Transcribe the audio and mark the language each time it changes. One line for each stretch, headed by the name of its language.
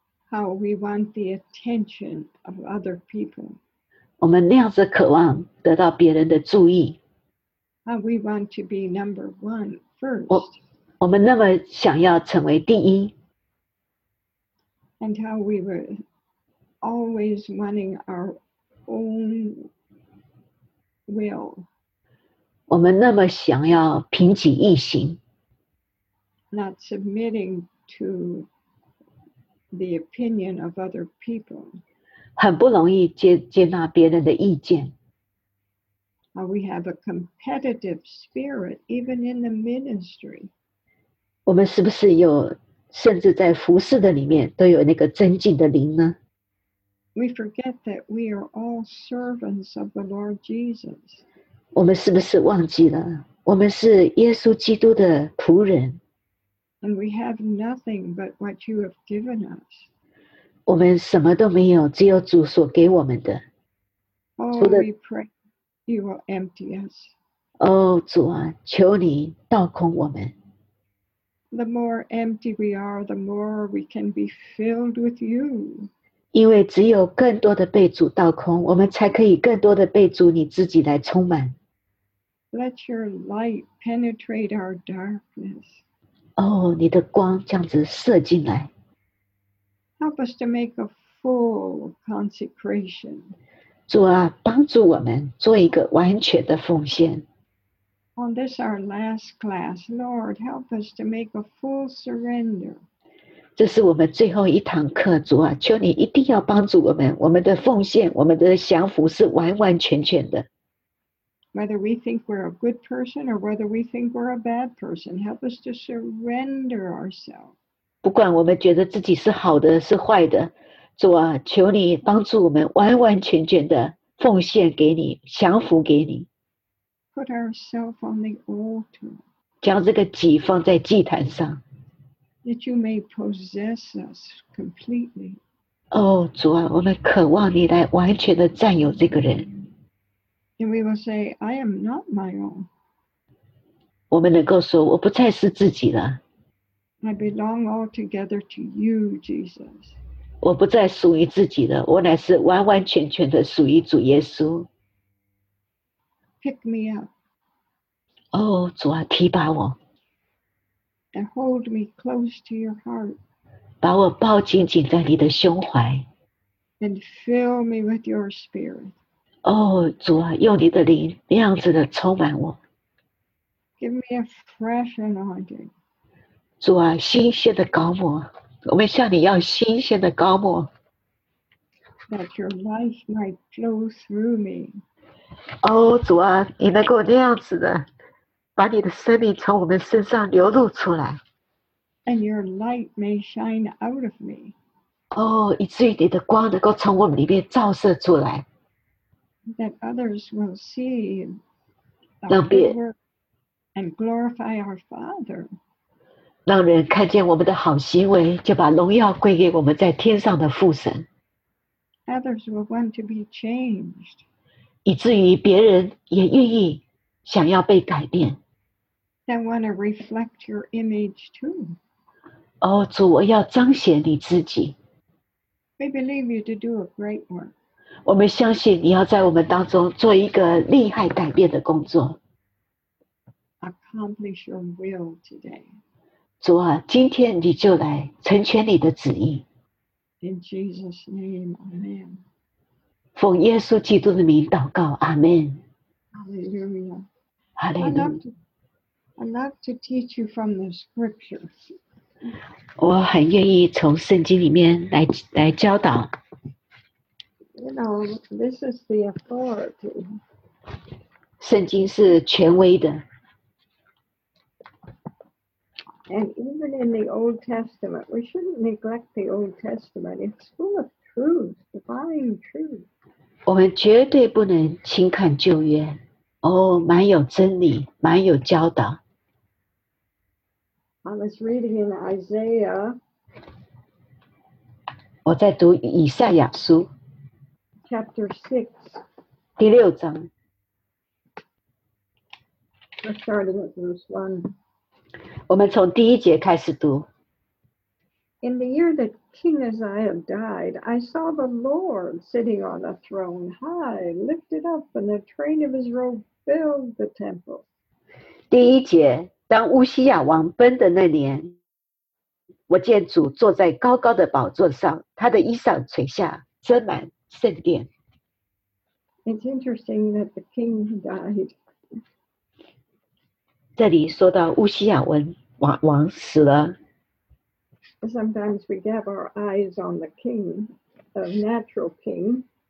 English: How we want the attention of other people.
Chinese: 我们那样子渴望得到别人的注意。
English: How we want to be number one first.
Chinese: 我们那么想要成为第一。
English: And how we were always wanting our own will.
Chinese: 我们那么想要凭己意行。
English: Not submitting to the opinion of other people.
Chinese: 很不容易接纳别人的意见。
English: We have a competitive spirit even in the ministry.
Chinese: 我们是不是有甚至在服事的里面都有那个尊敬的灵呢？
English: We forget that we are all servants of the Lord Jesus.
Chinese: 我们是不是忘记了？我们是耶稣基督的仆人。
English: And we have nothing but what you have given us.
Chinese: 我们什么都没有，只有主所给我们的。
English: Oh, we pray you will empty us.
Chinese: 哦，主啊，求你倒空我们。
English: The more empty we are, the more we can be filled with you.
Chinese: 因为只有更多的被主倒空，我们才可以更多的被主你自己来充满。
English: Let your light penetrate our darkness.
Chinese: 哦，你的光这样子射进来。
English: Help us to make a full consecration.
Chinese: 主啊，帮助我们做一个完全的奉献。
English: On this our last class, Lord, help us to make a full surrender.
Chinese: 这是我们最后一堂课，主啊，求你一定要帮助我们，我们的奉献，我们的降服是完完全全的。
English: Whether we think we're a good person or whether we think we're a bad person, help us to surrender ourselves.
Chinese: 不管我们觉得自己是好的是坏的，主啊，求你帮助我们完完全全的奉献给你，降服给你。
English: Put ourselves on the altar.
Chinese: 将这个己放在祭坛上。
English: That you may possess us completely.
Chinese: Oh, 主啊，我们渴望你来完全的占有这个人。
English: And we will say, I am not my own.
Chinese: 我们能够说，我不再是自己了。
English: I belong altogether to you, Jesus.
Chinese: 我不再属于自己了，我乃是完完全全的属于主耶稣。
English: Pick me up.
Chinese: Oh, 主啊，提拔我。
English: And hold me close to your heart.
Chinese: 把我抱紧紧在你的胸怀。
English: And fill me with your spirit.
Chinese: 哦，主啊，用你的灵那样子的充满我。
English: Give me a fresh anointing.
Chinese: 主啊，新鲜的膏抹，我们向你要新鲜的膏抹。
English: That your life might flow through me.
Chinese: 哦，主啊，你能够那样子的。把你的生命从我们身上流露出来。
English: And your light may shine out of me.
Chinese: 哦，以至于你的光能够从我们里面照射出来。
English: That others will see the power and glorify our Father.
Chinese: 让人看见我们的好行为，就把荣耀归给我们在天上的父神。
English: Others will want to be changed.
Chinese: 以至于别人也愿意想要被改变。
English: I want to reflect your image too.
Chinese: 哦，主，我要彰显你自己。
English: We believe you to do a great work.
Chinese: 我们相信你要在我们当中做一个厉害改变的工作。
English: accomplish your will today.
Chinese: 主啊，今天你就来成全你的旨意。
English: In Jesus' name, Amen.
Chinese: 奉耶稣基督的名祷告，阿门。
English: Hallelujah. Hallelujah. I'd love to teach you from the scriptures.
Chinese: 我很愿意从圣经里面 来教导。
English: You know, this is the authority.
Chinese: 圣经是权威的。
English: And even in the Old Testament, we shouldn't neglect the Old Testament. It's full of truth, divine truth.
Chinese: 我们绝对不能轻看旧约。哦，蛮有真理，蛮有教导。
English: I was reading in Isaiah.
Chinese: 我在读以赛亚书。
English: Chapter 6.
Chinese: 第六章。
English: We're starting at verse 1.
Chinese: 我们从第一节开始读。
English: In the year that King Uzziah died, I saw the Lord sitting on a throne high, lifted up, and the train of his robe filled the temple.
Chinese: 第一节，当乌西亚王崩的那年，我见主坐在高高的宝座上，他的衣裳垂下，遮满圣殿。
English: It's interesting that the king died.
Chinese: 这里说到乌西亚王死了。
English: Sometimes we gab our eyes on the king, the natural king.